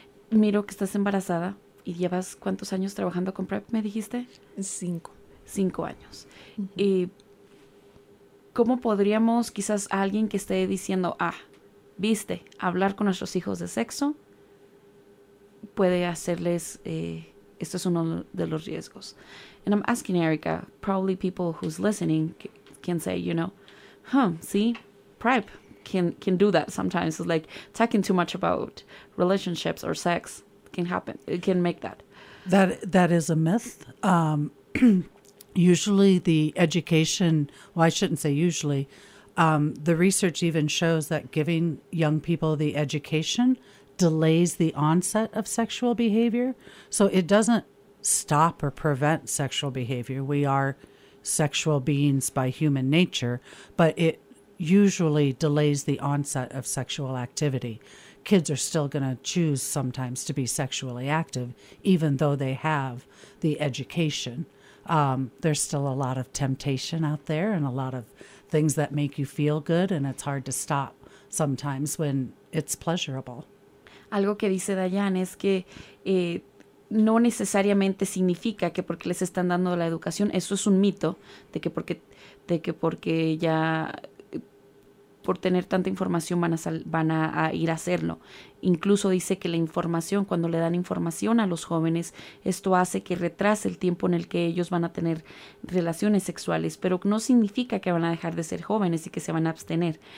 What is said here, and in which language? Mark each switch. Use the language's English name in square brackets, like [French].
[Spanish] Miro que estás embarazada y llevas, ¿cuántos años trabajando con PrEP, me dijiste? 5 años. Uh-huh. ¿Y cómo podríamos, quizás alguien que esté diciendo, viste, hablar con nuestros hijos de sexo puede hacerles, esto es uno de los riesgos? [English] And I'm asking Erika, probably people who's listening can say, you know, sí, PrEP can do that sometimes. It's like talking too much about relationships or sex can happen. It can make that. That is a myth. Usually the education, well, I shouldn't say usually, The research even shows that giving young people the education delays the onset of sexual behavior. So it doesn't stop or prevent sexual behavior. We are sexual beings by human nature, but it usually delays the onset of sexual activity. Kids are still going to choose sometimes to be sexually active, even though they have the education. There's still a lot of temptation out there and a lot of things that make you feel good, and it's hard to stop sometimes when it's pleasurable. [Spanish] Algo que dice Dayane es que no necesariamente significa que porque les están dando la educación, eso es un mito, de que porque ya por tener tanta información van a ir a hacerlo. Incluso dice que la información, cuando le dan información a los jóvenes, esto hace que retrase el tiempo en el que ellos van a tener relaciones sexuales, pero no significa que van a dejar de ser jóvenes y que se van a abstener.